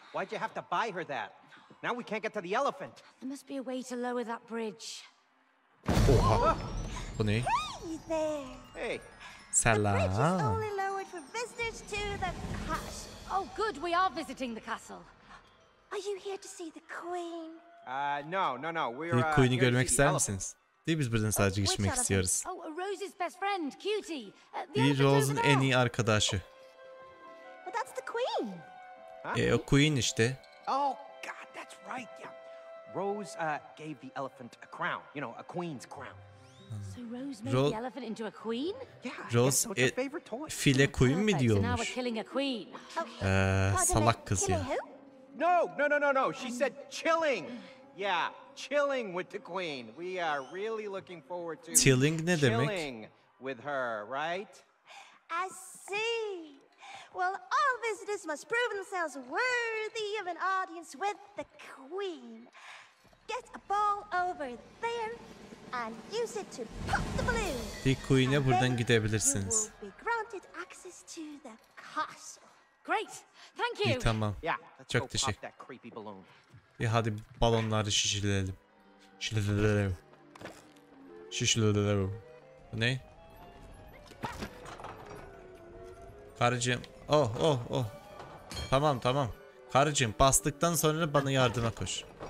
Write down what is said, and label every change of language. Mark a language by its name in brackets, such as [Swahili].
[English] Why'd you have to buy her that? Now we can't get to the elephant. There must be a way to lower that bridge. [Turkish] Oha. Bu ne? [English] Hey there. Hey. [Turkish] Selam. [English] The bridge is only lowered for visitors to the castle. Oh good, we are visiting the castle. Are you here to see the queen? No. We're [Turkish] the queen'i görmek ister misiniz? Değil biz buradan sadece geçmek istiyoruz. [English] Oh, Rose's best friend, cutie. [Turkish] Bir Rose'un en iyi arkadaşı. [English] But that's the queen. [Turkish] O queen işte. [English] Oh god, that's right. Yeah. Rose gave the elephant a crown, you know, a queen's crown. So Rose made the elephant into a queen? Yeah. Rose her favorite toy. [Turkish] File queen mi diyormuş? [English] So now we're killing a queen. [Turkish] Salak kız ya. [English] No. She said chilling. Yeah, chilling with the queen. We are really looking forward to [Turkish] chilling ne demek? [English] Chilling with her, right? I see. Well, all visitors must prove themselves worthy of an audience with the queen. Get a ball over there and use it to pop the balloon. [Turkish] The queen'e buradan gidebilirsiniz. [English] You will be granted access to the castle. Great. Thank you. [Turkish] İyi, tamam. Çok teşekkür. İyi hadi balonları şişirelim. Şişirelim. Bu ne? Karıcığım. Oh. Tamam. Karıcığım bastıktan sonra bana yardıma koş.